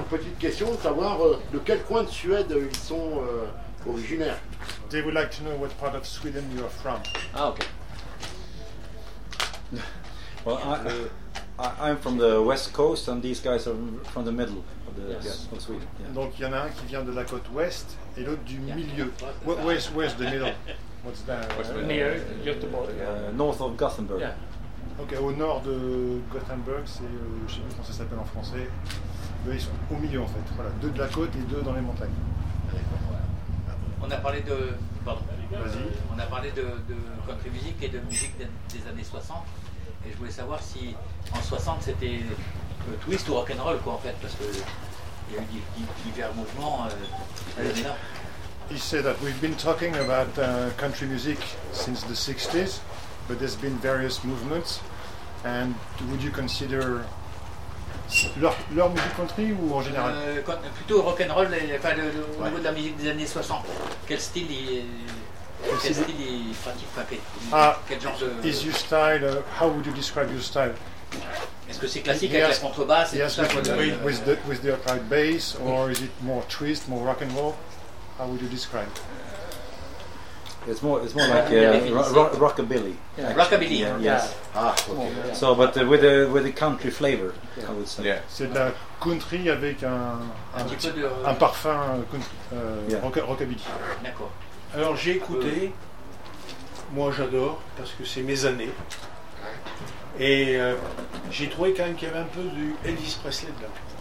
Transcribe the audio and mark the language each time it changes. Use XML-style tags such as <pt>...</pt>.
<fr>petite question, savoir de quel coin de Suède ils sont originaires.</fr> <en>They would like to know what part of Sweden you are from. Ah, okay. Well, I'm from the west coast and these guys are from the middle of the of Sweden. Yeah.</en> <fr>Donc il y en a un qui vient de la côte ouest et l'autre du milieu.</fr> <en>Where's the middle? What's that? Near Göteborg. North of Gothenburg. Yeah.</en> <fr>Ok, au nord de Gothenburg, c'est, je sais plus comment ça s'appelle en français, mais ils sont au milieu en fait, voilà, deux de la côte et deux dans les montagnes. On a parlé de, on a parlé de country music et de musique des années 60, et je voulais savoir si en 60 c'était twist ou rock'n'roll quoi en fait, parce qu'il y a eu divers mouvements à l'année-là.</fr> <en>He said that we've been talking about country music since the 60s. But there's been various movements, and would you consider</en> <fr>leur musique country ou en général? Plutôt rock and roll, enfin au niveau de la musique des années 60. Quel style il pratique, enfin, quel genre de?</fr> <en>Is your style? How would you describe your style?</en> <fr>Est-ce que c'est classique avec la contrebasse?</fr> <en>Yes, with the upright bass, or is it more twist, more rock and roll? How would you describe? It's more like rockabilly. Yeah. Rockabilly. Yes. Ah, okay. So, but with a country flavor, I would say. Yeah.</en> <fr>C'est de la country avec un parfum country, rockabilly. D'accord. Alors j'ai écouté. Moi, j'adore parce que c'est mes années. Et j'ai trouvé quand même qu'il y avait un peu du Elvis Presley dedans.</fr>